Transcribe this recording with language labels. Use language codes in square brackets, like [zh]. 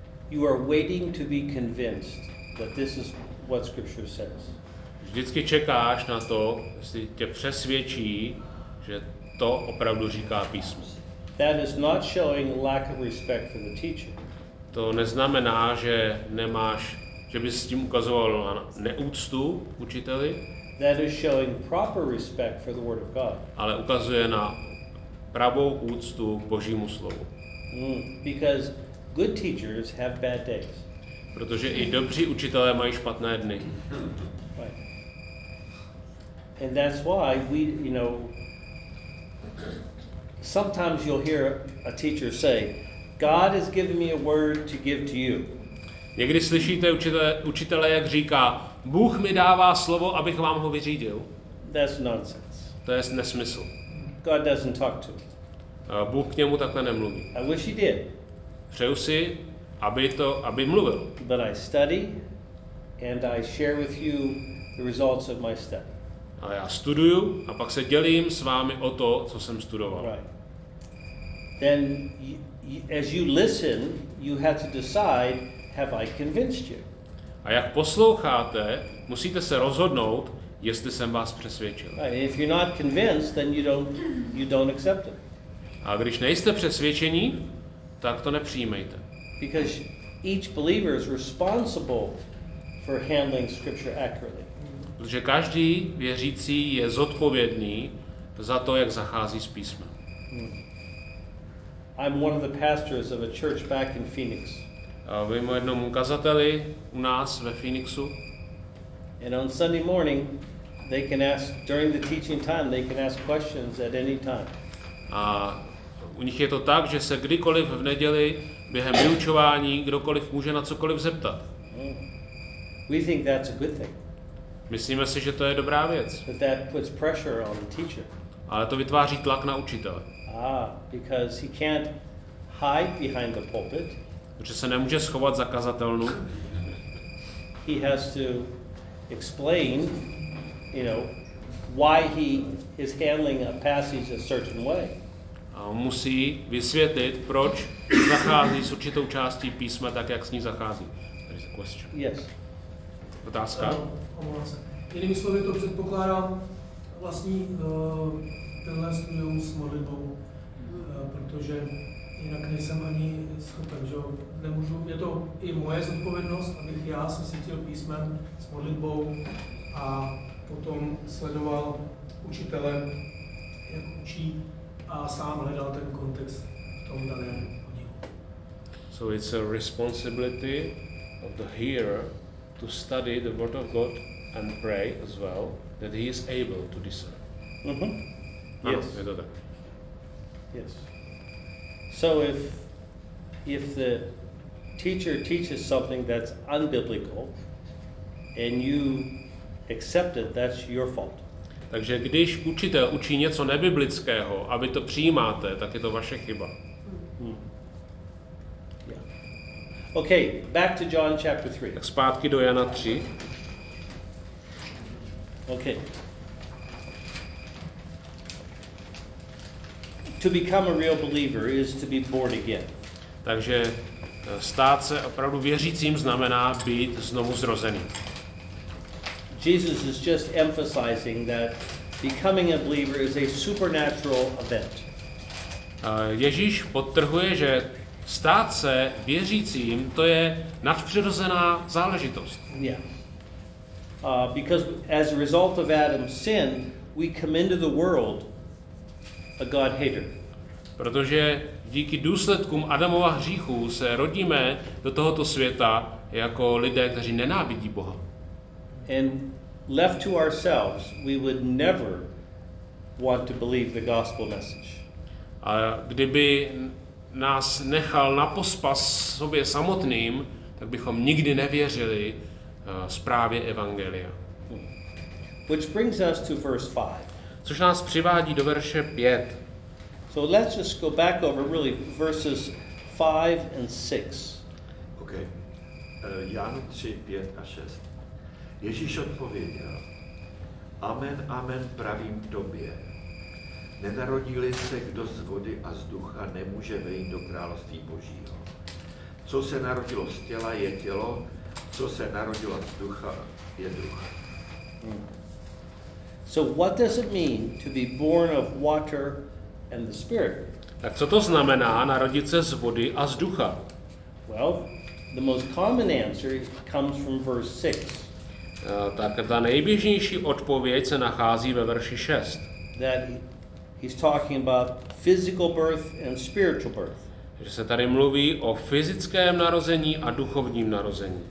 [en] You are waiting to be convinced that this is what Scripture says. [cs] Vždycky čekáš na to, jestli tě přesvědčí, že to opravdu říká písmo. [en] That is not showing lack of respect for the teacher. [cs] To neznamená, že nemáš, že bys s tím ukazoval na neúctu učiteli. [en] That is showing proper respect for the Word of God. [cs] Ale ukazuje na pravou úctu k Božímu slovu. [en] Because good teachers have bad days. [cs] Protože i dobří učitelé mají špatné dny. [en] Right. And that's why we, you know, sometimes you'll hear a teacher say, God has given me a word to give to you. [cs] Někdy slyšíte učitele, jak říká, Bůh mi dává slovo, abych vám ho vyřídil. [en] That's nonsense. [cs] To je nesmysl. [en] God doesn't talk to me. [cs] Bůh k němu takhle nemluví. [en] I wish he did. [cs] Přeju si, aby mluvil. [en] But I study and I share with you the results of my study. [cs] A já studuju a pak se dělím s vámi o to, co jsem studoval. [en] Right. Then as you listen, you have to decide, have I convinced you? [cs] A jak posloucháte, musíte se rozhodnout, jestli jsem vás přesvědčil. [en] Right. If you're not convinced, then you don't accept it. [cs] A když nejste přesvědčení, tak to nepřijímejte. [en] Because each believer is responsible for handling scripture accurately. [cs] Protože každý věřící je zodpovědný za to, jak zachází s písmem. [en] I'm one of the pastors of a church back in Phoenix. [cs] A vím o jednom ukazateli u nás ve Phoenixu. [en] And on Sunday morning, they can ask during the teaching time, they can ask questions at any time. [cs] A u nich je to tak, že se kdykoliv v neděli během vyučování kdokoliv může na cokoliv zeptat. [en] We think that's a good thing. [cs] Myslíme si, že to je dobrá věc. [en] But that puts pressure on the teacher. [cs] Ale to vytváří tlak na učitele. [en] Because he can't hide behind the pulpit. [cs] Protože se nemůže schovat za kazatelnu. [en] He has to explain, you know, why he is handling a passage a certain way. [cs] A musí vysvětlit, proč zachází s určitou částí písma tak, jak s ní zachází. [en] There is a question. Yes. [cs] Otázka? Jinými slovy, to předpokládám vlastní tenhle studium s modlitbou, protože jinak nejsem ani schopen, že nemůžu. Je to i moje zodpovědnost, abych já se cítil písmem s modlitbou a potom sledoval učitele, jak učí, a sám hledal ten kontext v tom daném oddílu. [en] So it's a responsibility of the hearer to study the word of God and pray as well, that he is able to discern. Mm-hmm. Yes. [cs] Je to tak. [en] Yes. So if the teacher teaches something that's unbiblical and you accept it, that's your fault. [cs] Takže když učitel učí něco nebiblického a vy to přijímáte, tak je to vaše chyba. [en] Okay, back to John chapter 3. [cs] Tak zpátky do Jana 3. [en] Okay. To become a real believer is to be born again. [cs] Takže stát se opravdu věřícím znamená být znovu zrozený. [en] Jesus is just emphasizing that becoming a believer is a supernatural event. [cs] Ježíš podtrhuje, že stát se věřícím, to je nadpřirozená záležitost. [en] Yeah. Because as a result of Adam's sin, we come into the world a God hater. [cs] Protože díky důsledkům Adamova hříchu se rodíme do tohoto světa jako lidé, kteří nenávidí Boha. [en] And left to ourselves, we would never want to believe the gospel message. [cs] A kdyby nás nechal na pospas sobě samotným, tak bychom nikdy nevěřili zprávě evangelia. [en] Which brings us to verse 5. [cs] Což nás přivádí do verše 5. [en] So let's just go back over really verses 5 and 6. [cs] Okay. Jan 3, 5 a 6. Ježíš odpověděl: Amen, amen, pravím tobě. Nenarodili se kdo z vody a z ducha, nemůže vejít do království Božího. Co se narodilo z těla, je tělo, co se narodilo z ducha, je duch. [en] So what does it mean to be born of water and the Spirit? [cs] Tak co to znamená narodit se z vody a z ducha? [en] Well, the most common answer comes from verse 6. [cs] Tak ta nejběžnější odpověď se nachází ve verši 6. [en] That he's talking about physical birth and spiritual birth. [cs] Že se tady mluví o fyzickém narození a duchovním narození.